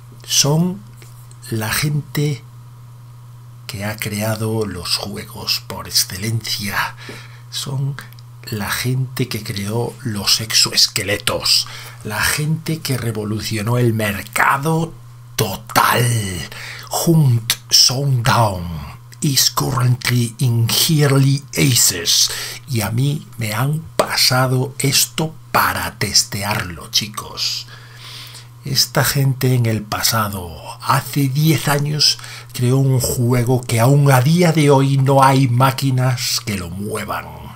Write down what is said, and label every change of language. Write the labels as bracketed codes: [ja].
[es] Son la gente que ha creado los juegos por excelencia. Son la gente que creó los exoesqueletos. La gente que revolucionó el mercado total. [en] Hunt Showdown is currently in early access. [es] Y a mí me han pasado esto para testearlo, chicos. Esta gente en el pasado, hace 10 años, creó un juego que aún a día de hoy no hay máquinas que lo muevan.